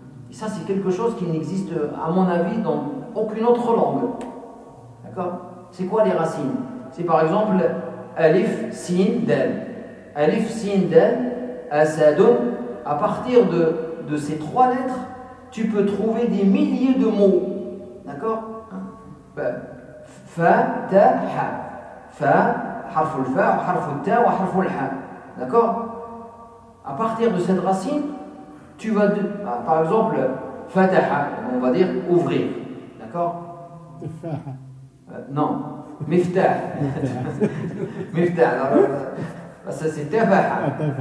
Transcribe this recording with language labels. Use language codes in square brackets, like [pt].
[fr] Et ça, c'est quelque chose qui n'existe, à mon avis, dans aucune autre langue. D'accord ? C'est quoi les racines ? C'est par exemple Alif, Sin, Dal. Alif, Sin, Dal, Asadun. À partir de ces trois lettres, tu peux trouver des milliers de mots. D'accord ? [ar] Ben, فتح ف حرف الفاء وحرف التاء وحرف الحاء. [fr] D'accord. À partir de cette racine, tu vas de... ah, par exemple فتح, on va dire ouvrir. D'accord. Non, مفتاح. مفتاح. Alors ça c'est تفاح.